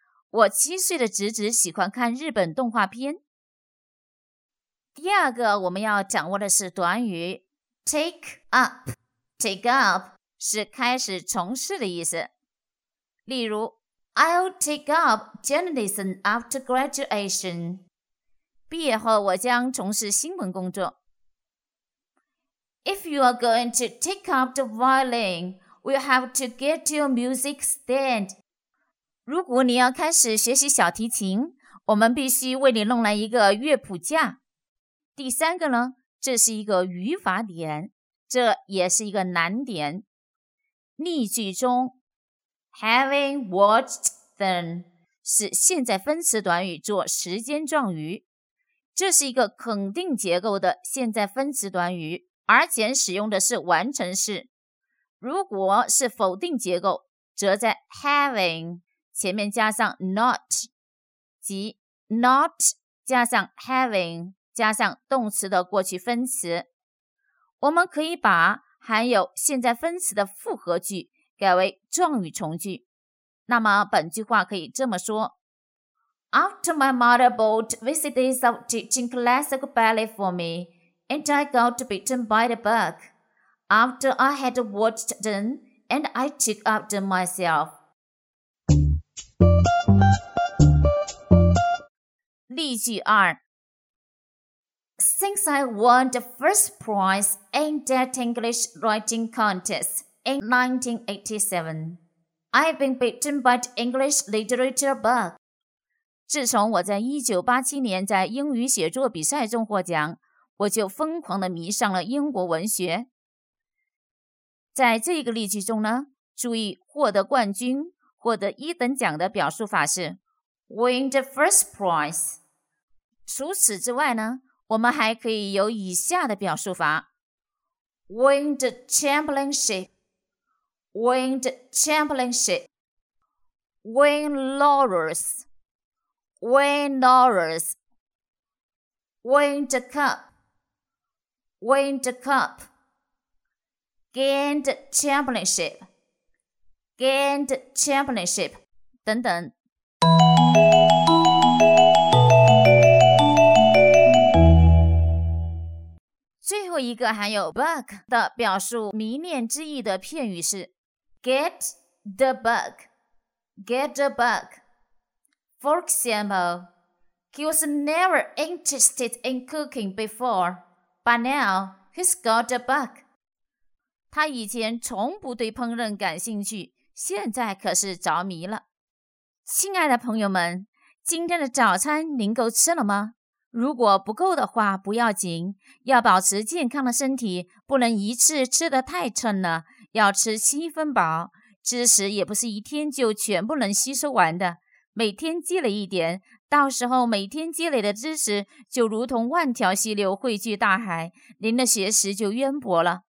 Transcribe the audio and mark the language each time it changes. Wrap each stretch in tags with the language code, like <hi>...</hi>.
<zh>我七岁的侄子喜欢看日本动画片。第二个我们要掌握的是短语</zh> <en>take up. Take up</en> <zh>是开始从事的意思。例如</zh> <en>I'll take up journalism after graduation.</en> <zh>毕业后我将从事新闻工作。</zh> <en>If you are going to take up the violin, we'll have to get your music stand.</en> <zh>如果你要开始学习小提琴，我们必须为你弄来一个乐谱架。第三个呢，这是一个语法点，这也是一个难点。例句中</zh> <en>，having watched them</en> <zh>是现在分词短语做时间状语，这是一个肯定结构的现在分词短语，而且使用的是完成式。如果是否定结构，则在 having 前面加上 not， 即 not 加上 having。加上动词的过去分词，我们可以把含有现在分词的复合句改为状语从句。那么本句话可以这么说</zh> <en>After my mother bought VCDs of teaching classical ballet for me and I got bitten by the bug after I had watched them and I took up them myself</en> <zh>例句二</zh> <en>Since I won the first prize in that English writing contest in 1987, I've been bitten by the English literature bug.</en> <zh>自从我在1987年在英语写作比赛中获奖，我就疯狂地迷上了英国文学。在这个例句中呢，注意获得冠军、获得一等奖的表述法是</zh> <en>win the first prize.</en> <zh>除此之外呢，我们还可以有以下的表述法</zh> <en>Win the championship Win the championship Win laurels Win laurels Win the cup Win the cup Gain the championship Gain the championship</en> <zh>等等最后一个含有 bug 的表述迷恋之意的片语是</zh> <en>get the bug, get the bug. For example, he was never interested in cooking before, but now he's got the bug.</en> <zh>他以前从不对烹饪感兴趣，现在可是着迷了。亲爱的朋友们，今天的早餐您够吃了吗？如果不够的话不要紧，要保持健康的身体，不能一次吃得太撑了，要吃七分饱，知识也不是一天就全部能吸收完的，每天积累一点，到时候每天积累的知识就如同万条溪流汇聚大海，您的学识就渊博了。</zh>